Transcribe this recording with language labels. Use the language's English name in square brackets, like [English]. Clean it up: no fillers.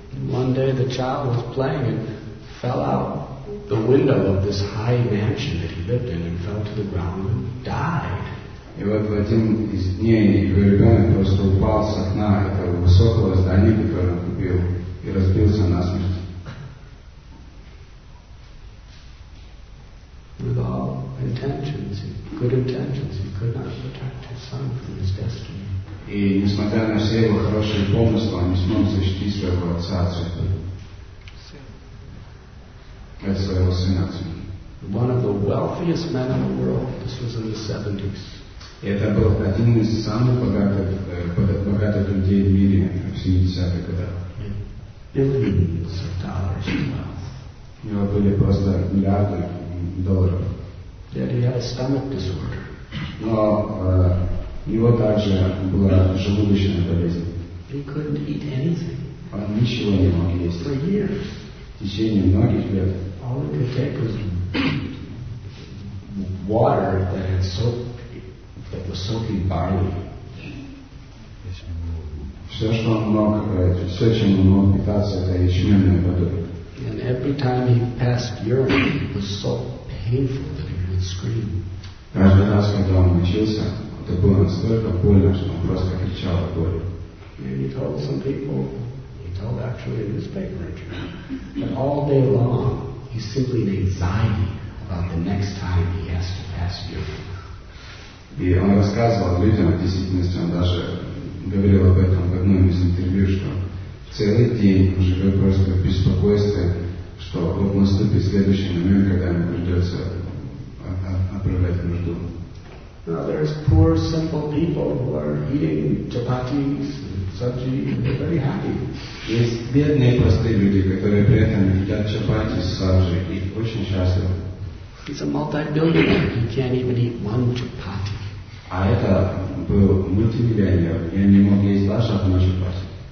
[English] One day the child was playing and fell out the window of this high mansion that he lived in and fell to the ground and died. [Russian] И вот в один из дней его ребенок просто упал с окна этого высокого здания, которое он купил, и разбился насмерть. [English] With all intentions, good intentions, he could not protect his son from his destiny. [Russian] И несмотря на все его хорошие помыслы, он не смог защитить своего отца от судьбы. От своего сына от судьбы. [English] One of the wealthiest men in the world. This was in the 70s. [Russian] И это был один из самых богатых людей в мире в 70-х годах. [English] Billions of dollars in wealth. [Russian] У него были просто миллиарды долларов. [English] Yet he had a stomach disorder. [Russian] Но у него также была желудочная болезнь. [English] He couldn't eat anything. [Russian] Он ничего не мог есть. [English] For years. [Russian] В течение многих лет. [English] All he could take was water that had soaked, that was soaking barley. [Russian] Все, что он мог, все, чем он мог питаться, это ячменной водой. [English] And every time he passed urine, it was so painful that he would scream. [Russian] Каждый раз, когда он мучился, это было настолько больно, что он просто кричал от боли. [English] And he told some people, he told actually a newspaper interview, that all day long he's simply in anxiety about the next time he has to pass urine. [Russian] И он рассказывал людям, в действительности он даже говорил об этом в одном из интервью, что целый день он живет просто в беспокойстве, что вот наступит следующий момент, когда ему придется отправлять нужду. [English] Now there's poor, simple people who are eating chapatis and sabji, and they're very happy. [Russian] Есть бедные простые люди, которые при этом едят чапати с сабжи и очень счастливы. [English] He's a multi-billionaire. He can't even eat one chapati. [Russian] А это был мультимиллионер, и он не мог есть даже одну чапати.